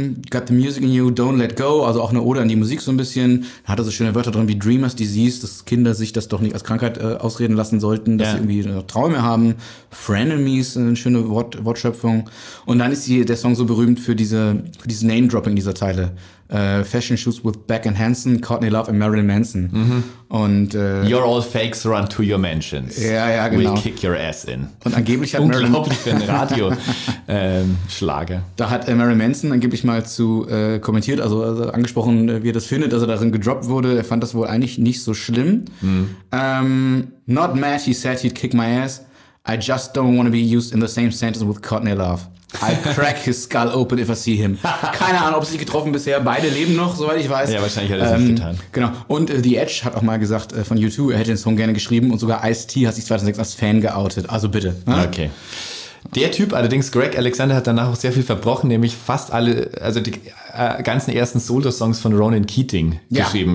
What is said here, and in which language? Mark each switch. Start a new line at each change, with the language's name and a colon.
English: Got the music in you, don't let go,
German: also auch eine Ode an die Musik so ein bisschen. Da hat er so schöne Wörter drin wie Dreamer's Disease, dass Kinder sich das doch nicht als Krankheit ausreden lassen sollten, dass sie irgendwie noch Träume haben. Frenemies, eine schöne Wortschöpfung. Und dann ist der Song so berühmt für dieses Name-Dropping dieser Teile.
English: Fashion Shoes with Beck and Hansen, Courtney Love and Marilyn Manson. Mhm.
German: Und
English: You're all fakes, run to your mansions.
German: Ja, genau.
English: We'll kick your ass in.
German: Und angeblich hat Marilyn... Unglaublich für einen Radioschlager. Da hat Marilyn Manson angeblich mal zu kommentiert, also angesprochen, wie er das findet, dass er darin gedroppt wurde. Er fand das wohl eigentlich nicht so schlimm. Mhm.
English: Not mad, he said he'd kick my ass. I just don't want to be used in the same sentence with Courtney Love. I'll crack his skull open if I see him.
German: Keine Ahnung, ob sie sich getroffen bisher. Beide leben noch, soweit ich weiß. Ja, wahrscheinlich hat er es nicht getan. Genau. Und The Edge hat auch mal gesagt von U2, er hätte den Song gerne geschrieben. Und sogar Ice-T hat sich 2006 als Fan geoutet. Also bitte. Ne? Okay. Der Typ allerdings, Greg Alexander, hat danach auch sehr viel verbrochen. Nämlich fast alle, also die ganzen ersten Solo-Songs von Ronan Keating geschrieben.